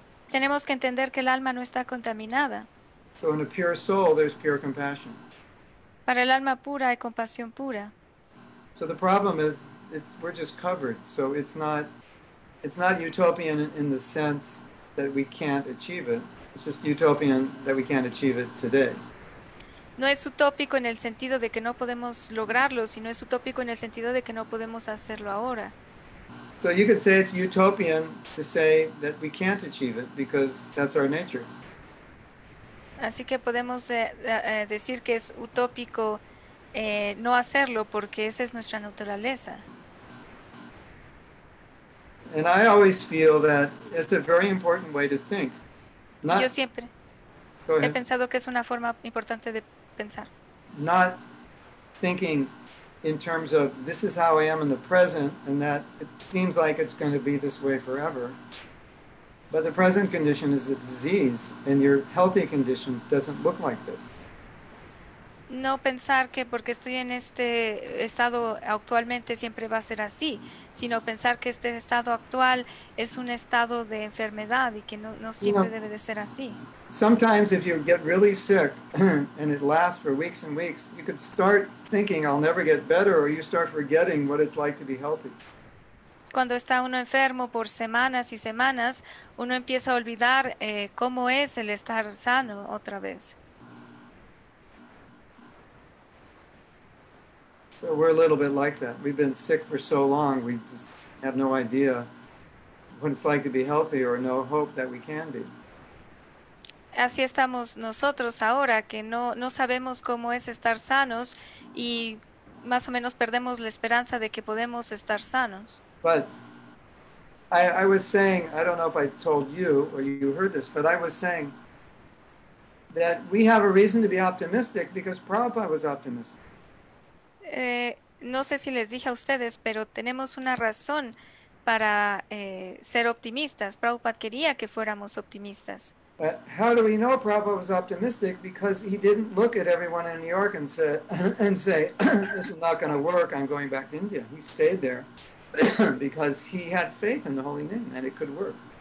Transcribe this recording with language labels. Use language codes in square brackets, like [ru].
[es] Tenemos que entender que el alma no está contaminada. [en] So in a pure soul, there's pure compassion. [es] Para el alma pura hay compasión pura. [en] So the problem is, we're just covered, so it's not... It's not utopian in the sense that we can't achieve it. It's just utopian that we can't achieve it today. [es] No es utópico en el sentido de que no podemos lograrlo, sino es utópico en el sentido de que no podemos hacerlo ahora. [en] So you could say it's utopian to say that we can't achieve it because that's our nature. [es] Así que podemos decir que es utópico no hacerlo porque esa es nuestra naturaleza. [en] And I always feel that it's a very important way to think. [es] Not, yo siempre he pensado que es una forma importante de pensar. [en] Not thinking in terms of this is how I am in the present and that it seems like it's going to be this way forever. But the present condition is a disease and your healthy condition doesn't look like this. [es] No pensar que porque estoy en este estado actualmente siempre va a ser así, sino pensar que este estado actual es un estado de enfermedad y que no siempre debe de ser así. [en] Sometimes if you get really sick and it lasts for weeks and weeks, you could start thinking I'll never get better, or you start forgetting what it's like to be healthy. [es] Cuando está uno enfermo por semanas y semanas, uno empieza a olvidar cómo es el estar sano otra vez. [en] So we're a little bit like that. We've been sick for so long, we just have no idea what it's like to be healthy or no hope that we can be. [es] Así estamos nosotros ahora, que no sabemos cómo es estar sanos y más o menos perdemos la esperanza de que podemos estar sanos. [en] But I was saying, I don't know if I told you or you heard this, but I was saying that we have a reason to be optimistic because Prabhupada was optimistic. [es] No sé si les dije a ustedes, pero tenemos una razón para ser optimistas. Prabhupada quería que fuéramos optimistas. [en] How do we know Prabhupada was optimistic? Because he didn't look at everyone in New York and say, this is not going to work, I'm going back to India. He stayed there because he had faith in the holy name and it could work.